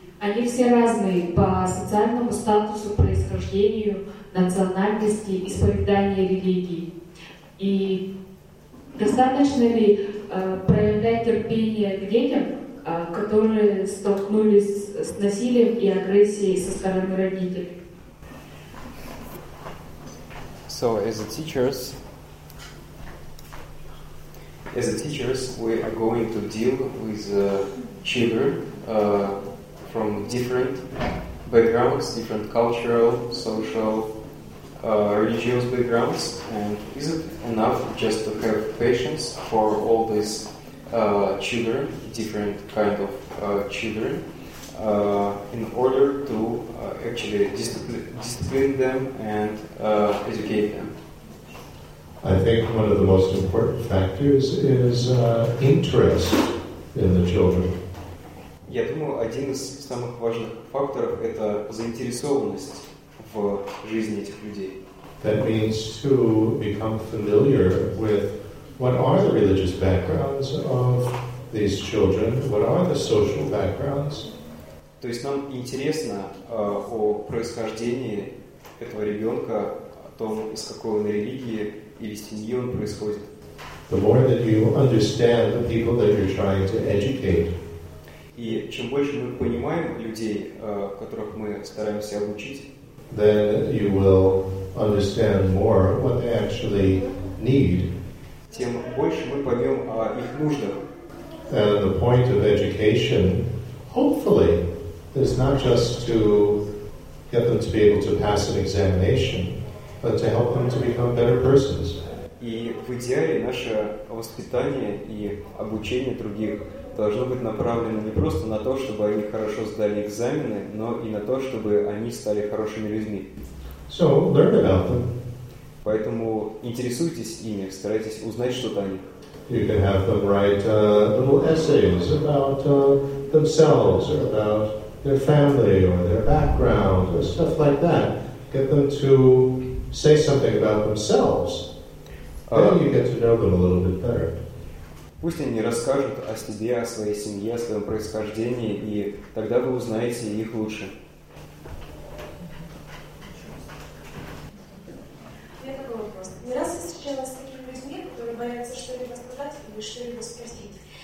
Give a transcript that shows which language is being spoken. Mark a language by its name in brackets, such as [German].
[Russian] Они все разные по социальному статусу, происхождению, национальности, исповедания религии. И достаточно ли проявлять терпение к детям, которые столкнулись с насилием и агрессией со стороны родителей? [English] So, as the teachers, we are going to deal with children from different backgrounds, different cultural, social, religious backgrounds, and is it enough just to have patience for all these children, different kind of children, in order to actually discipline them and educate them? I think one of the most important factors is interest in the children. [Russian] Я думаю, один из самых важных факторов – это заинтересованность в жизни этих людей. [English] That means to become familiar with what are the religious backgrounds of these children, what are the social backgrounds. [Russian] То есть нам интересно о происхождении этого ребенка, о том, из какой он религии или семьи он происходит. [English] The more that you understand the people that you're trying to educate. [Russian] И чем больше мы понимаем людей, которых мы стараемся обучить, [English] then you will understand more what they actually need. [Russian] Тем больше мы поймем о их нуждах. [English] And the point of education, hopefully, is not just to get them to be able to pass an examination, but to help them to become better persons. [Russian] И в идеале наше воспитание и обучение других должно быть направлено не просто на то, чтобы они хорошо сдали экзамены, но и на то, чтобы они стали хорошими людьми. [English] So, learn about them. [Russian] Поэтому интересуйтесь ими, старайтесь узнать что-то о них. [English] You can have them write little essays about themselves or about their family or their background or stuff like that. Get them to say something about themselves. Then you get to know them a little bit better. [Russian] Пусть они расскажут о себе, о своей семье, о своем происхождении, и тогда вы узнаете их лучше. Я такой вопрос. Не раз я встречалась с такими людьми, которые боятся что-либо сказать или что-либо спросить.